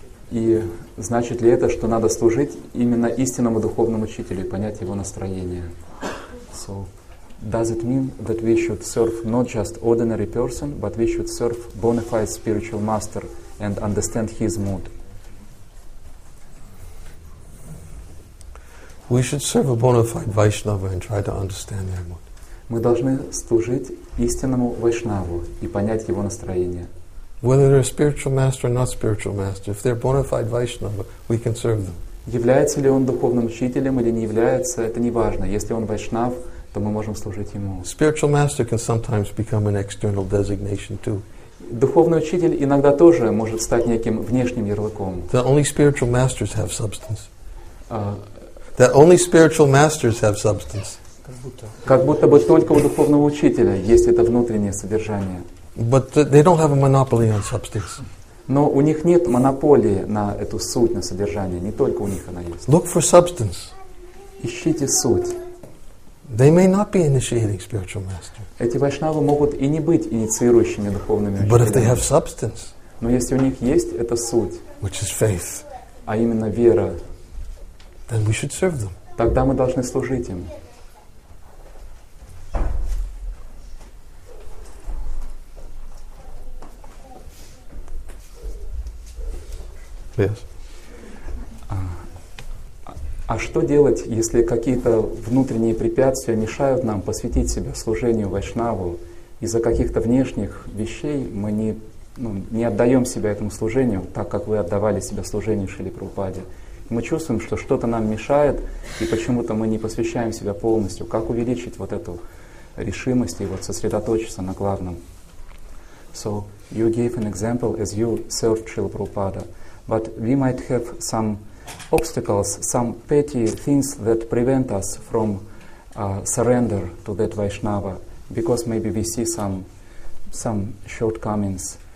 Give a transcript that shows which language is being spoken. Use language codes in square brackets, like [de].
[ru] И значит ли это, что надо служить именно истинному духовному учителю и понять его настроение? [en] So, does it mean that we should serve not just ordinary person, but we should serve bona fide spiritual master and understand his mood? We should serve a bona fide Vaishnava and try to understand him. [ru] Мы должны служить истинному вайшнаву и понять его настроение. [en] Whether they're a spiritual master or not spiritual master, if they're bona fide Vaishnava, we can serve them. [ru] Является ли он духовным учителем или не является, это не важно. Если он вайшнав, то мы можем служить ему. [en] Spiritual master can sometimes become an external designation too. [ru] Духовный учитель иногда тоже может стать неким внешним ярлыком. [en] That only spiritual masters have substance. That only spiritual masters have substance. [ru] Как будто бы только у духовного учителя есть это внутреннее содержание. [en] But they don't have a monopoly on substance. [ru] Но у них нет монополии на эту суть, на содержание. Не только у них она есть. [en] Look for substance. [ru] Ищите суть. [en] They may not be initiating spiritual master. [ru] Эти вайшнавы могут и не быть инициирующими духовными учителями. [en] But if they have substance, [ru] но если у них есть эта суть, [en] which is faith, [ru] а именно вера, [en] then we should serve them. [ru] Тогда мы должны служить им. [en] Yes. [ru] А что делать, если какие-то внутренние препятствия мешают нам посвятить себя служению вайшнаву, из-за каких-то внешних вещей мы не отдаем себя этому служению, так как вы отдавали себя служению Шриле Прабхупаде? Мы чувствуем, что что-то нам мешает, и почему-то мы не посвящаем себя полностью. Как увеличить вот эту решимость и вот сосредоточиться на главном? [en] So, you gave an example as you served Srila Prabhupada. But we might have some obstacles, some petty things that prevent us from surrender to that Vaishnava, because maybe we see some shortcomings.